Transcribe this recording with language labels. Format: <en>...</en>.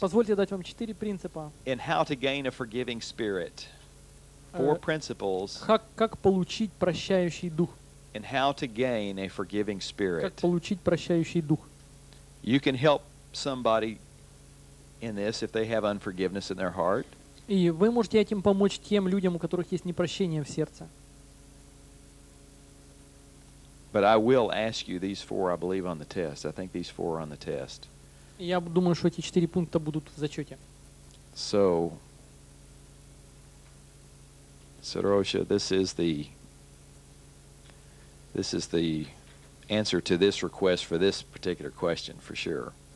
<ru>Позвольте дать вам четыре принципа.</ru> <en>In how to gain a forgiving spirit. Four principles.</en> <ru>Как получить прощающий дух?</ru> <en>In how to gain a forgiving spirit.</en> <ru>Как получить прощающий дух?</ru> <en>You can help somebody in this if they have unforgiveness in their heart.</en> <ru>И вы можете этим помочь тем людям, у которых есть непрощение в сердце.</ru> <en>But I will ask you these four, I believe, on the test. I think these four are on the test.</en> <ru>Я думаю, что эти четыре пункта будут в зачете.</ru> <en>So, Sarosha, this is the answer to this request for this particular question for sure.</en>